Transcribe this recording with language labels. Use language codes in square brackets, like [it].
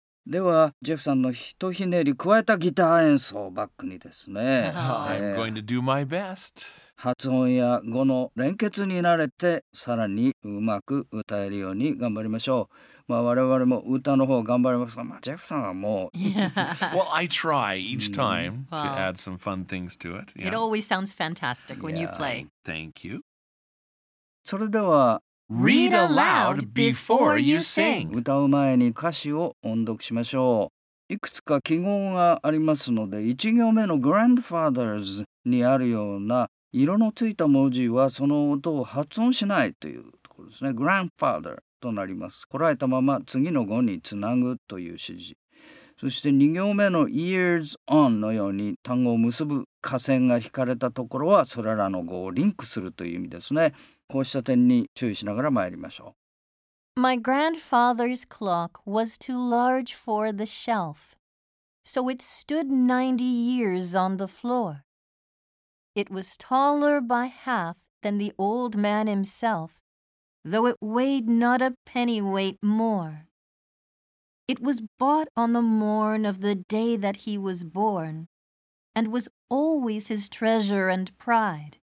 [ja] ではジェフさんのひとひねり加えたギター演奏バックにですね。 [en] I'm going to do my best. [ja] 発音や語の連結に慣れてさらにうまく歌えるように頑張りましょう。まあ、我々も歌の方頑張りますが、まあ、ジェフさんはもう、 [en] yeah. Well, I try each time to add some fun things to it.、 Yeah. It always sounds fantastic when、yeah. you play. Thank you. [ja] それでは [en] Read aloud before you sing. [ja] 歌う前に歌詞を音読しましょう。いくつか記号がありますので、1行目の Grandfather's にあるような色のついた文字はその音を発音しないというところですね。 Grandfather. となります。こらえたまま次の語につなぐという指示。そして2行目の Ears on のように単語を結ぶ下線が引かれたところはそれらの語をリンクするという意味ですね。こうした点に注意しながら参りましょう。 [en] My grandfather's clock was too large for the shelf, so it stood 90 years on the floor. It was taller by half than the old man himself. Though it weighed not a penny weight more. It was bought on the morn of the day that he was born, and was always his treasure and pride.